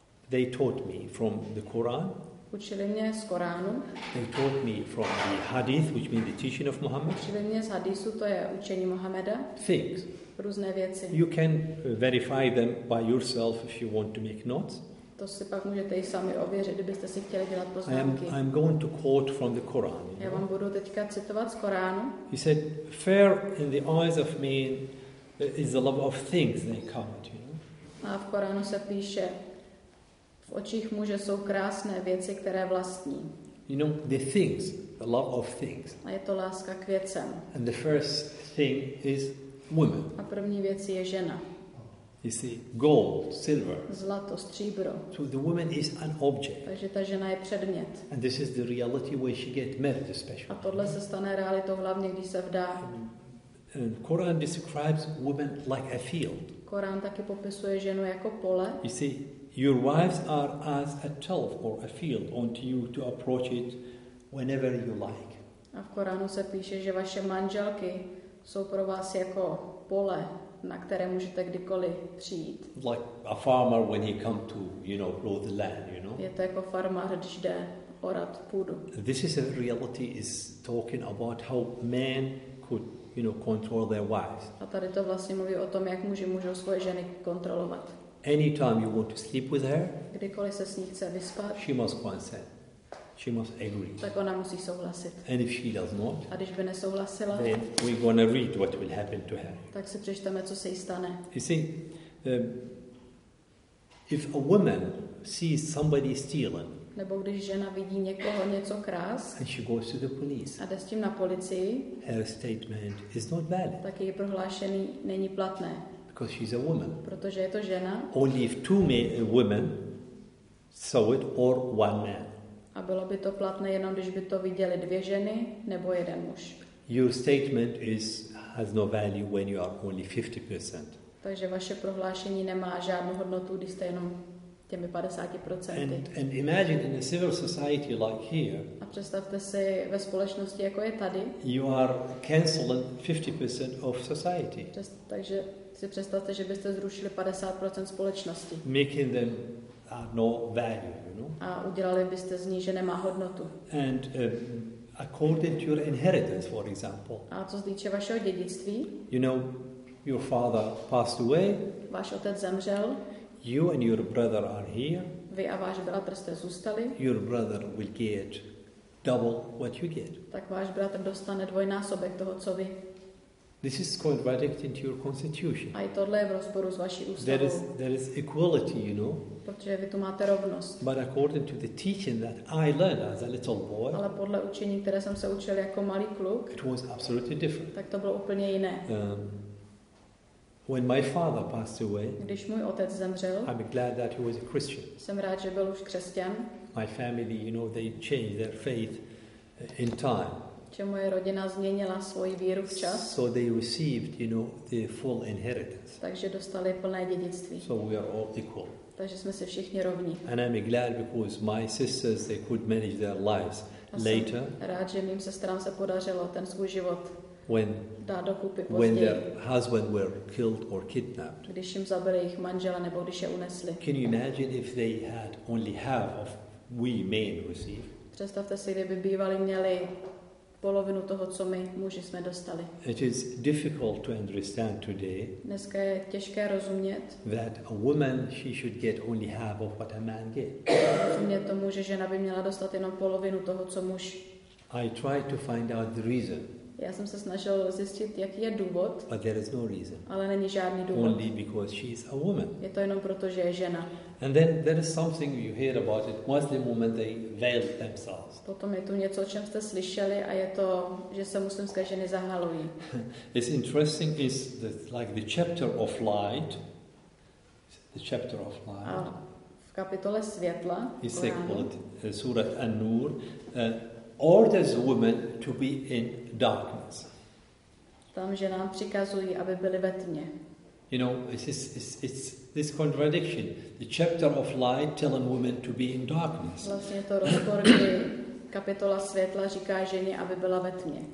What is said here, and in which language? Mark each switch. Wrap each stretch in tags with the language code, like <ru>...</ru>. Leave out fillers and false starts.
<en>They taught me from the Quran.</en> <cs>Učili mě z Koránu.</cs> <en>They taught me from the Hadith, which means the teaching of Muhammad.</en> <cs>Učili mě z Hadisu, to je učení Muhammada.</cs> <en>Things.</en> <cs>Různé věci.</cs> <en>You can verify them by yourself if you want to make notes.</en> <cs>To si pak můžete i sami ověřit, kdybyste si chtěli dělat poznámky.</cs> <en>I'm going to quote from the Quran.</en> <cs>Já vám budu teďka citovat z Koránu.</cs> <en>He said, "Fair in the eyes of men." Is the love of things they come to, you know?</en> <cs>A v Koránu se píše, v očích muže jsou krásné věci, které vlastní.</cs> <en>You know, the things, the love of things.</en> <cs>A je to láska k věcem.</cs> <en>And the first thing is women.</en> <cs>A první věc je žena.</cs> <en>You see, gold, silver.</en> <cs>Zlato, stříbro.</cs> <en>So the woman is an object.</en> <cs>Takže ta žena je předmět.</cs> <en>And this is the reality where she gets married especially.</en> <cs>A tohle se stane realitou hlavně, když se vdá.</cs> <en>And Quran describes women like a field.</en> <cs>Korán taky popisuje ženu jako pole.</cs> <en>You see, your wives are as a turf or a field onto you to approach it whenever you like.</en> <cs>A v Koránu se píše, že vaše manželky jsou pro vás jako pole, na které můžete kdykoliv přijít.</cs> <en>Like a farmer when he comes to, you know, grow the land, you know.</en> <cs>Je to jako farmář, když jde orat půdu.</cs> <en>This is a reality is talking about how men could, you know, control their wives.</en> <cs>A tady to vlastně mluví o tom, jak muži můžou svoje ženy kontrolovat.</cs> <en>Anytime you want to sleep with her,</en> <cs>kdykoliv se s ní chce vyspat,</cs> <en>she must consent. She must agree.</en> <cs>Tak ona musí souhlasit.</cs> <en>And if she does not,</en> <cs>a když by nesouhlasila,</cs> <en>then we gonna read what will happen to her.</en> <cs>Tak si přečteme, co se jí stane.</cs> <en>You see, if a woman sees somebody stealing,</en> <cs>nebo když žena vidí někoho něco krást,</cs> <en>and she goes to the police,</en> <cs>a jde s tím na policii,</cs> <en>her statement is not valid.</en> <cs>Tak její prohlášení není platné.</cs> <en>Because she's a woman.</en> <cs>Protože je to žena.</cs> <en>Only if two women saw it or one man.</en> <cs>A bylo by to platné jenom když by to viděly dvě ženy nebo jeden muž.</cs> <en>Your statement has no value when you are only 50%.</en> <cs>Takže vaše prohlášení nemá žádnou hodnotu, když jste jenom těmi 50%.</cs> <en>And imagine in a civil society like here.</en> <cs>A představte si ve společnosti jako je tady.</cs> <en>You are canceling 50% of society.</en> <cs>Takže si představte, že byste zrušili 50% společnosti.</cs> <en>Making them no value, you know.</en> <cs>A udělali byste z ní, že nemá hodnotu.</cs> <en>And according to your inheritance, for example.</en> <cs>A co se týče vašeho dědictví?</cs> <en>You know, your father passed away.</en> <cs>Váš otec zemřel.</cs> <en>You and your brother are here.</en> <cs>Vy a váš bratr jste zůstali.</cs> <en>Your brother will get double what you get.</en> <cs>Tak váš bratr dostane dvojnásobek toho, co vy.</cs> <en>This is contradicting to your constitution.</en> <cs>A i tohle je v rozporu s vaší ústavou.</cs> <en>There is equality, you know.</en> <cs>Protože vy tu máte rovnost.</cs> <en>But according to the teaching that I learned as a little boy.</en> <cs>Ale podle učení, které jsem se učil jako malý kluk.</cs> <en>It was absolutely different.</en> <cs>Tak to bylo úplně jiné.</cs> <en>When my father passed away,</en> <cs>když můj otec zemřel,</cs> <en>I'm glad that he was a Christian.</en> <cs>Jsem rád, že byl už křesťan.</cs> <en>My family, you know, they changed their faith in time.</en> <cs>Že moje rodina změnila svoji víru včas.</cs> <en>So they received, you know, the full inheritance.</en> <cs>Takže dostali plné dědictví.</cs> <en>So we are all equal.</en> <cs>Takže jsme si všichni rovní.</cs> <en>And I'm glad because my sisters, they could manage their lives later.</en> <cs>Rád, že mým sestrám se podařilo ten svůj život dát dokupy později.</cs> <en>When their husband were killed or kidnapped.</en> <cs>Když jim zabili jejich manžela nebo když je unesli.</cs> <en>Can you imagine if they had only half of we men receive?</en> <cs>Představte si, kdyby bývali měli polovinu toho, co my muži jsme dostali.</cs> <en>It is difficult to understand today.</en> <cs>Dneska je těžké rozumět.</cs> <en>That a woman she should get only half of what a man get.</en> <cs>Mě to může, žena by měla dostat jenom polovinu toho, co muž.</cs> <en>I tried to find out the reason.</en> <cs>Já jsem se snažil zjistit, jaký je důvod.</cs> <en>But there is no reason.</en> <cs>Ale není žádný důvod.</cs> <en>Only because she is a woman.</en> <cs>Je to jenom proto, že je žena.</cs> <en>And then there is something you hear about it. Muslim women, they veil themselves.</en> <cs>Potom je tu něco, o čem jste slyšeli, a je to, že se muslimské ženy zahalují.</cs> <en>It's interesting is that like the chapter of light, the chapter of light.</en> <cs>A v kapitole světla.</cs> <en>It's called Surat An-Nur. Orders women to be in darkness.</en> <cs>Tam ženám přikazují, aby byly ve tmě.</cs> <en>You know, it's this contradiction. The chapter of light telling women to be in darkness.</en> <cs>Vlastně to rozpor, kdy kapitola světla říká ženě, aby byla ve tmě.</cs>